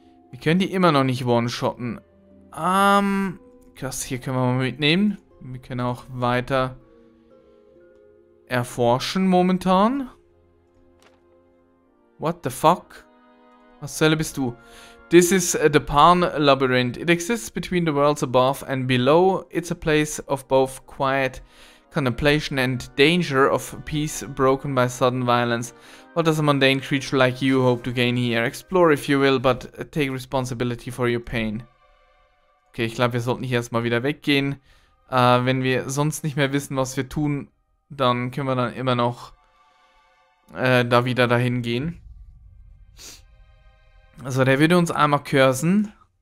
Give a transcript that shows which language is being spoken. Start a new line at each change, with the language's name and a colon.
German: Wir können die immer noch nicht one-shotten. Das hier können wir mal mitnehmen. Wir können auch weiter erforschen momentan.
English: What the fuck?
German: Was zur Hölle bist du?
English: This is the Pan Labyrinth. It exists between the worlds above and below. It's a place of both quiet contemplation and danger of peace broken by sudden violence. What does a mundane creature like you hope to gain here? Explore if you will, but take responsibility for your pain.
German: Okay, ich glaube, wir sollten hier erstmal wieder weggehen. Wenn wir sonst nicht mehr wissen, was wir tun, dann können wir dann immer noch da wieder dahin gehen. Also, der würde uns einmal cursen.